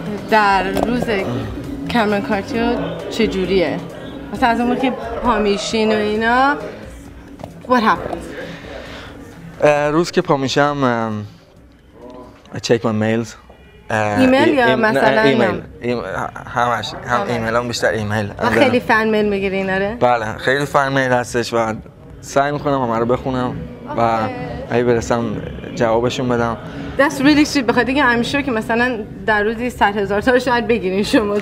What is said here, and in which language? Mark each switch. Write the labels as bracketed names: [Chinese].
[Persian] در روز کامرون کارتیو چجوریه؟ مثلا از اون که پامیشین و اینا [English] what happens؟ [Persian] روز که پامیشم [English] I check my mails. [Persian] ایمیل یا مثلا ایمیل همش هم ایمیل هم بیشتر ایمیل و خیلی فن میل میگیری اینا رو؟ بله خیلی فن میل هستش و سعی میکنم همه رو بخونم و اگه برسم جوابشون بدم. [English] That's really sweet. [Persian] بخاطر اینکه [English] I'm sure [Persian] که مثلا در روزی 100,000 تا شاید بگیرین شما.